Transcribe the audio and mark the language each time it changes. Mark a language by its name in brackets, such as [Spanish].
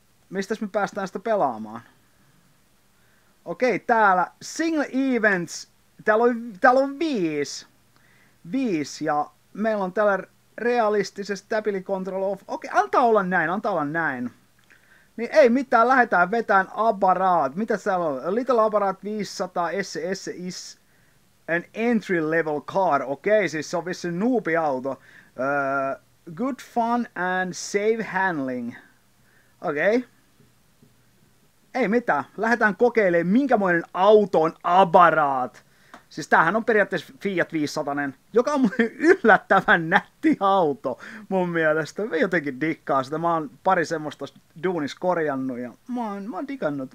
[Finnish] Mistäs me päästään sitä pelaamaan? Okei, täällä single events, täällä on viisi, ja meillä on täällä realistisen stability control off. Okei, antaa olla näin. Niin ei mitään, lähdetään vetään abaraat. Mitä täällä on? [English] Little abaraat 500, SS is an entry level car. [Finnish] Okei, siis se on vissi noobi auto. [English] Good fun and safe handling. [Finnish] Okei. Ei mitään, lähdetään kokeilemaan, minkämoinen auto on abaraat. Siis tämähän on periaatteessa Fiat 500, joka on mun yllättävän nätti auto mun mielestä. Mä jotenkin dikkaan sitä, mä oon pari semmoista duunissa korjannut ja mä oon dikannut.